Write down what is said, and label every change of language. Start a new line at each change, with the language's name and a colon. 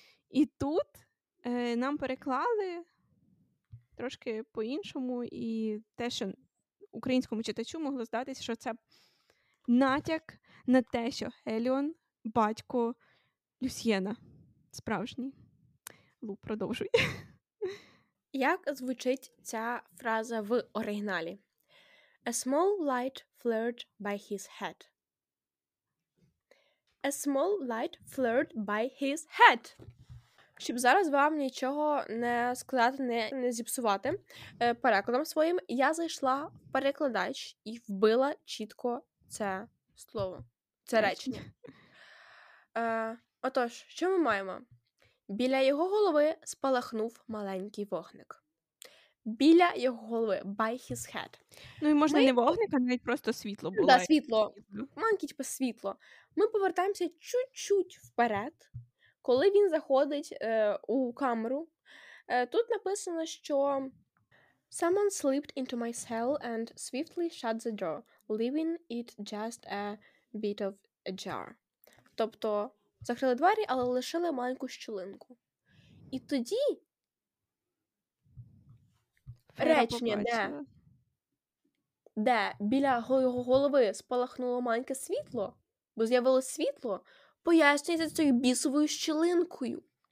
Ukrainian: І тут нам переклали трошки по-іншому, і те, що українському читачу могло здатися, що це натяк на те, що Геліон – батько Люсьєна. Справжній. Лу, продовжуй. Як звучить ця фраза в оригіналі?
English: A small light flared by his head. A small light flared by his head.
Ukrainian: Щоб зараз вам нічого не сказати, не зіпсувати перекладом своїм, я зайшла в перекладач і вбила чітко це слово, це речення. Отож, що ми маємо? Біля його голови спалахнув маленький вогник. Біля його голови.
English: By his head.
Ukrainian: Ну і можна не вогник, а навіть просто світло було. Так, да, світло. Маленьке, типу, світло. Ми повертаємося чуть-чуть вперед, коли він заходить у камеру. Тут написано, що
English: someone slipped into my cell and swiftly shut the door, leaving it just a bit of a jar.
Ukrainian: Тобто, закрили двері, але лишили маленьку щілинку. І тоді речення, де біля його голови спалахнуло маленьке світло, бо з'явилось світло, пояснюється цією бісовою щілинкою.